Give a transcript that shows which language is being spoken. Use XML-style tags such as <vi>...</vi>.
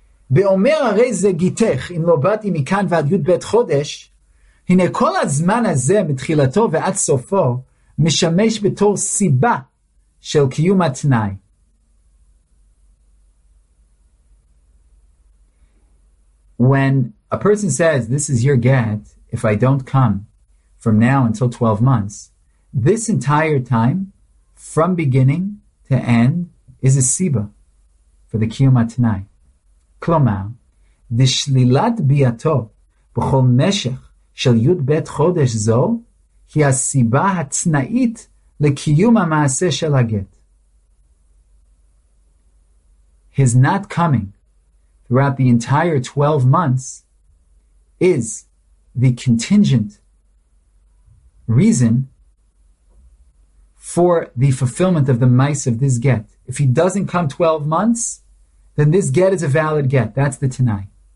<he>באומר הרי זה גיתך, אם לא באתי מכאן ועד י' ב' חודש, הנה כל הזמן הזה, מתחילתו ועד סופו, משמש בתור סיבה של קיום התנאי.</he> <en>When a person says, this is your get, if I don't come from now until 12 months, this entire time, from beginning to end, is a siba for the קיום התנאי.</en> <he>כלומר, דשלילת ביאתו בכל משך של י' ב' חודש זו, היא הסיבה הצנאית לקיום המעשה של הגט.</he> <en>His not coming throughout the entire 12 months is the contingent reason for the fulfillment of the mice of this get. If he doesn't come 12 months, then this get is a valid get. That's the Tanai.</en>